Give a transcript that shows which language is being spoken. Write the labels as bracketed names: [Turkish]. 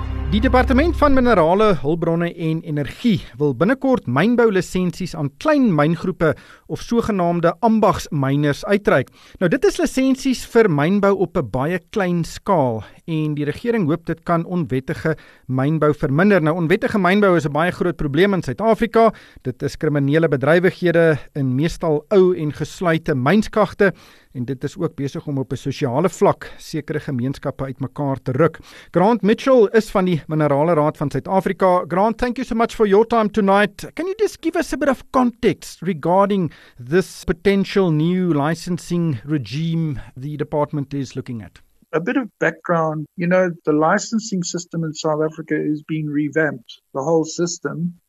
[Afrikaans] Die departement van minerale, hulpbronne en energie wil binnenkort mynboulisensies aan klein myngroepe of sogenaamde ambagsmyners uitreik. Nou dit is lisensies vir mynbou op 'n baie klein skaal en die regering hoop dit kan onwettige mynbou verminder. Nou onwettige mynbou is 'n baie groot probleem in Suid-Afrika. Dit is kriminele bedrywighede in meestal ou en gesluite mynskagte. En dit is ook besig om op 'n sosiale vlak sekere gemeenskappe uitmekaar te ruk. Grant Mitchell is van die Minerale Raad van Suid-Afrika. [English] Grant, thank you so much for your time tonight. Can you just give us a bit of context regarding this potential new licensing regime the department is looking at? A bit of background, you know, the licensing system in South Africa is being revamped, the whole system.